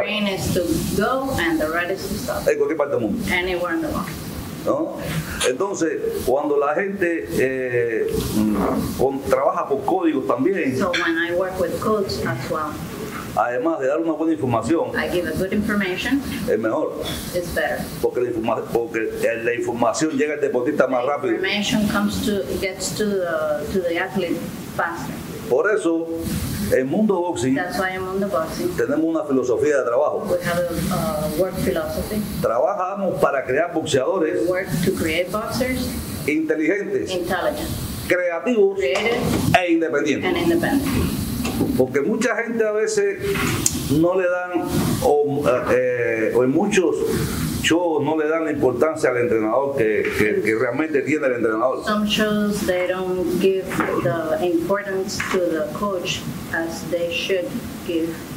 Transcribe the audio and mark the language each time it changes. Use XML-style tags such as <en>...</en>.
<en>The green is to go and the red is to stop.</en> <es>En cualquier parte del mundo.</es> <en>Anywhere in the world.</en> <es>¿No? Entonces, cuando la gente trabaja por códigos también.</es> <en>So when I work with codes as well.</en> <es>Además de dar una buena información,</es> <en>I give a good information,</en> <es>es mejor.</es> <en>It's better.</en> <es>Porque la información llega al deportista más rápido.</es> <en>The information gets to the athlete faster.</en> <es>Por eso, en Mundo Boxing,</es> <en>that's why in Mundo Boxing,</en> <es>tenemos una filosofía de trabajo.</es> <en>We have a work philosophy.</en> <es>Trabajamos para crear boxeadores.</es> <en>We work to create boxers.</en> <es>Inteligentes.</es> <en>Intelligent.</en> <es>creativos</es> <en>creative</en> <es>e independientes.</es> <en>And independent.</en> <es>Porque mucha gente a veces no le dan, o en muchos shows no le dan importancia al entrenador que realmente tiene el entrenador.</es> <en>Some shows they don't give the importance to the coach as they should give.</en>